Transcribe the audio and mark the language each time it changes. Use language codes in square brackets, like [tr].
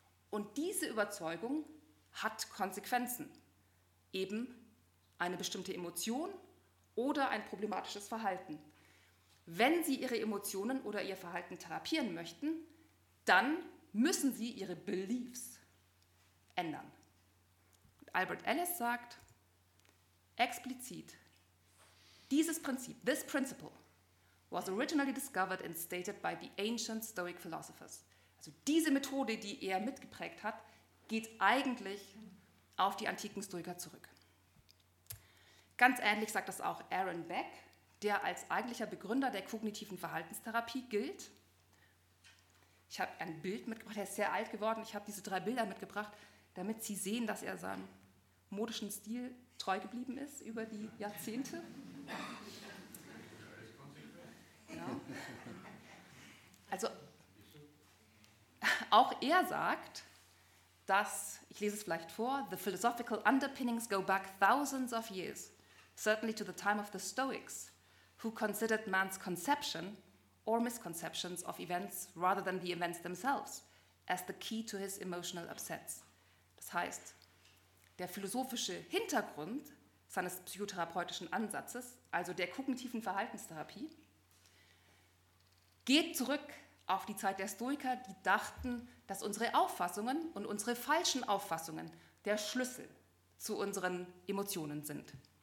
[de] Und diese Überzeugung hat Konsequenzen, eben eine bestimmte Emotion oder ein problematisches Verhalten. Wenn Sie Ihre Emotionen oder Ihr Verhalten therapieren möchten, dann müssen Sie Ihre Beliefs ändern. Albert Ellis sagt explizit, dieses Prinzip, [en] this principle, was originally discovered and stated by the ancient Stoic philosophers. [de] Also diese Methode, die er mitgeprägt hat, geht eigentlich auf die antiken Stoiker zurück. Ganz ähnlich sagt das auch Aaron Beck, der als eigentlicher Begründer der kognitiven Verhaltenstherapie gilt. Ich habe ein Bild mitgebracht, er ist sehr alt geworden. Ich habe diese drei Bilder mitgebracht, damit Sie sehen, dass er seinem modischen Stil treu geblieben ist über die Jahrzehnte. Ja. Also auch er sagt, dass, ich lese es vielleicht vor, [en] the philosophical underpinnings go back thousands of years, certainly to the time of the Stoics, who considered man's conception or misconceptions of events rather than the events themselves as the key to his emotional upsets. [de] Das heißt, der philosophische Hintergrund seines psychotherapeutischen Ansatzes, also der kognitiven Verhaltenstherapie, geht zurück auf die Zeit der Stoiker, die dachten, dass unsere Auffassungen und unsere falschen Auffassungen der Schlüssel zu unseren Emotionen sind.